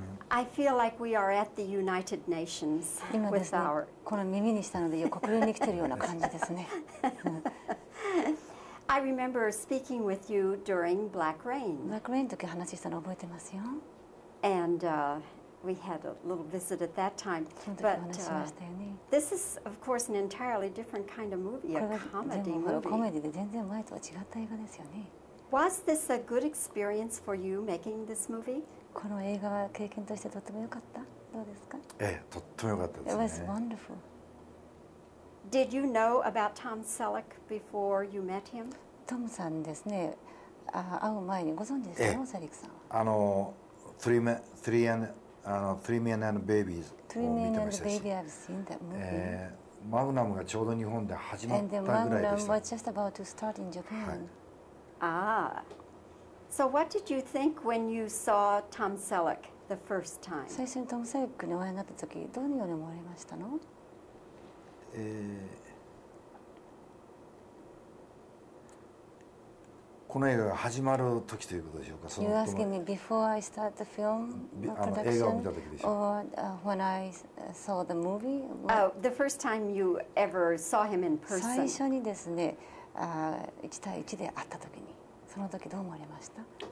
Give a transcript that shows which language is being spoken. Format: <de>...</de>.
<en>I feel like we are at the United Nations with our.</en> <ja>この耳にしたので国連に来てるような感じですね。</ja> <en>I remember speaking with you during Black Rain.</en> <ja>Black Rain の時話したの覚えてますよ。</ja> <en>And we had a little visit at that time.</en> <ja>その時話しましたよね。</ja> <en>This is, of course, an entirely different kind of movie, a comedy movie.</en> <ja>コメディで全然前とは違った映画ですよね。</ja> <en>Was this a good experience for you making this movie?</en> <ja>この映画は経験としてとても良かった。どうですか？ええ、とっても良かったですね。</ja> <en>It was wonderful. Did you know about Tom Selleck before you met him?</en> <ja>トムさんですね。会う前にご存知ですか、ええ、セリックさん。 Three Men and Babies を見てましたし。</ja> <en>Three Men and Babies, I've seen that movie.</en> <ja>マグナムがちょうど日本で始まったぐらいでした。</ja> <en>And then Magnum was just about to start in Japan.、</en> <ja>はい、</ja> <en>So what did you think when you saw Tom Selleck the first time?</en> <ja>最初にトム・セレックにお会いになった時、どのように思われましたの？この映画が始まる時ということでしょうか。</ja> <en>You asking me before I start the film, production,</en> <ja>映画を見た時でしょ</ja> <en>う。Or when I saw the movie? The first time you ever saw him in person.</en> <ja>最初にですね。 1対1で会った時にその時どう思われました？</ja>